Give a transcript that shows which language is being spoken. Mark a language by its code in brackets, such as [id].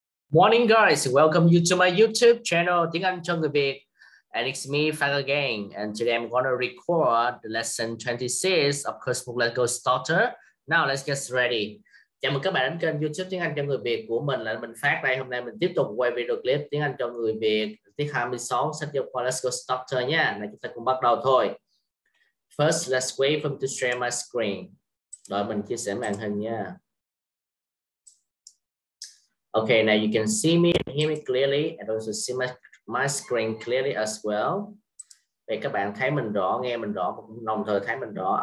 [en] Morning guys, welcome you to my YouTube channel Tiếng Anh cho người Việt. And it's me back again. And today I'm going to record lesson 26 of course book Let's Go Starter. Now let's get ready. [vi] Chào mừng các bạn đến kênh YouTube Tiếng Anh cho người Việt của mình là mình phát đây. Hôm nay mình tiếp tục quay video clip Tiếng Anh cho người Việt tiết 26 sách giáo khoa Let's Go Starter nha. Này chúng ta cùng bắt đầu thôi. [en] First, let's wait for me to share my screen. [vi] Đợi mình chia sẻ màn hình nha. [en] Okay, now you can see me and hear me clearly and also see my screen clearly as well. [vi] Để các bạn thấy mình rõ, nghe mình rõ, đồng thời thấy mình rõ.